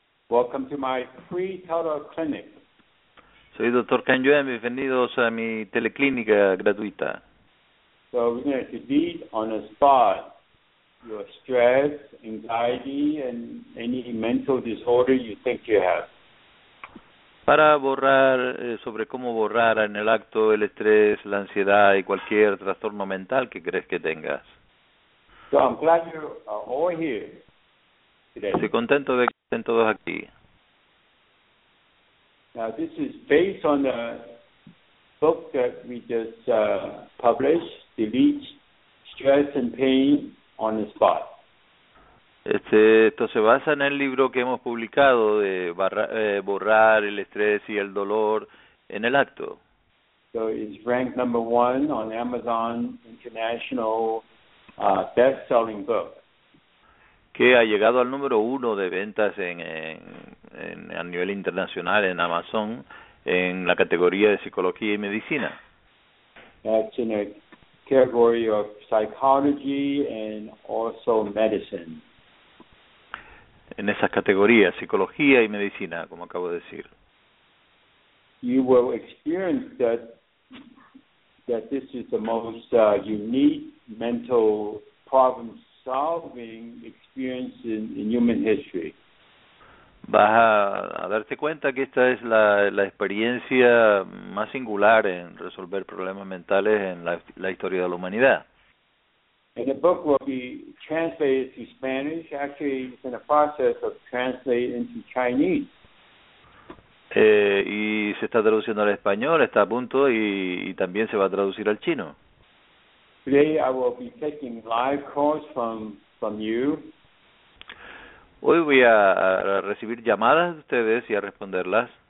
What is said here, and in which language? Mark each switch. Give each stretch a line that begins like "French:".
English: Welcome to my free teleclinic.
Spanish: Soy Dr. Cam Ewan, bienvenidos a mi teleclínica gratuita.
English: So we're going to beat on the spot your stress, anxiety, and any mental disorder you think you have.
Spanish: Para borrar, sobre cómo borrar en el acto el estrés, la ansiedad y cualquier trastorno mental que crees que tengas.
English: So I'm glad you're all here today.
Spanish: Estoy contento de que estén todos aquí.
English: Now this is based on the book that we just published, Delete Stress and Pain on the Spot.
Spanish: Esto se basa en el libro que hemos publicado de borrar el estrés y el dolor en el acto.
English: So it's ranked number one on Amazon International best-selling book.
Spanish: Que ha llegado al número uno de ventas en a nivel internacional en Amazon en la categoría de psicología y medicina.
English: That's in a category of psychology and also medicine.
Spanish: En esas categorías, psicología y medicina, como acabo de decir.
English: You will experience that this is the most unique mental problem-solving experience in human history.
Spanish: Vas a darte cuenta que esta es la experiencia más singular en resolver problemas mentales en la historia de la humanidad.
English: And the book will be translated to Spanish. Actually, it's in the process of translating into Chinese.
Spanish: Y se está traduciendo al español, está a punto, y también se va a traducir al chino.
English: Today I will be taking live calls from you.
Spanish: Hoy voy a recibir llamadas de ustedes y a responderlas.